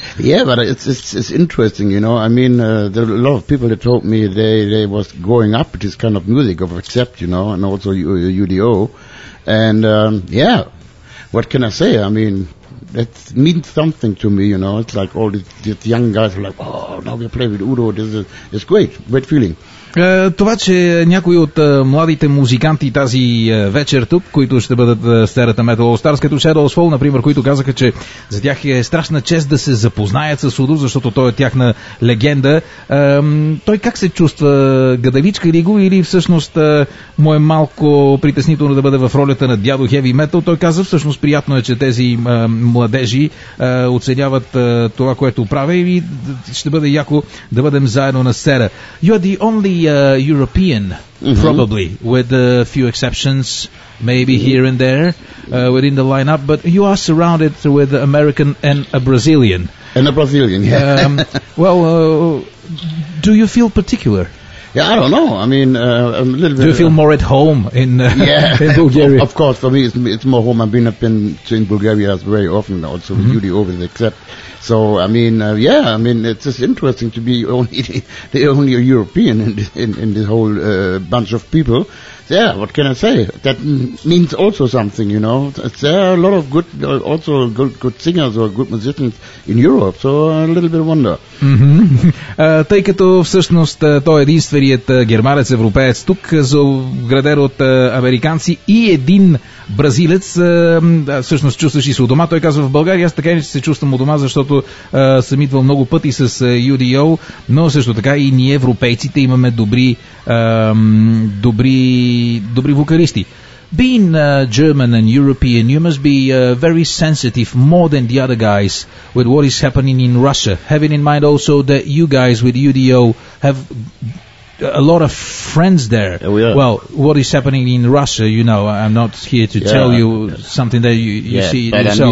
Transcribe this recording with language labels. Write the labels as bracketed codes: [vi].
[en] Yeah, but it's interesting, you know. I mean, there are a lot of people that told me they was growing up with this kind of music of Accept, you know, and also UDO, and yeah, what can I say? I mean. That means something to me, you know. It's like all these young guys are like, oh, now we play with Udo. It's great. Great feeling. [bg] Това, че някои от младите музиканти тази вечер тук, които ще бъдат старата Metal All Stars, като Shadows Fall, например, които казаха, че за тях е страшна чест да се запознаят с Удо, защото той е тяхна легенда. Той как се чувства? Гадавичка ли го, или всъщност му е малко притеснително да бъде в ролята на дядо Heavy Metal? Той каза, всъщност приятно е, че тези младежи оценяват това, което прави, и ще бъде яко да бъдем заедно на сцена. [en] You are the only European, mm-hmm. probably, with a few exceptions, maybe mm-hmm. here and there, within the lineup, but you are surrounded with an American and a Brazilian. And a Brazilian, yeah. Do you feel particular? Yeah, I don't know. I mean, I'm a little bit... Do you feel more at home in Bulgaria? Of course, for me, it's more home. I've been up in Bulgaria very often, also mm-hmm. with UDO over the Accept. So, I mean, it's just interesting to be the only European in this whole bunch of people. Yeah, what can I say? That means also something, you know. There are a lot of good singers or good musicians in Europe, so a little bit of wonder. Mm-hmm. [bg] Тъй като всъщност той е единственият германец европеец тук, заграден от американци и един бразилец, всъщност чувстваш и се у дома. Той казва, в България аз така не се чувствам у дома, защото съм идвал много пъти с UDO, но също така и ние европейците имаме добри вокалисти. [en] Being German and European, you must be very sensitive, more than the other guys, with what is happening in Russia. Having in mind also that you guys with UDO have a lot of friends there. Yeah, we are. Well, what is happening in Russia, you know, I'm not here to tell you something that you see yourself.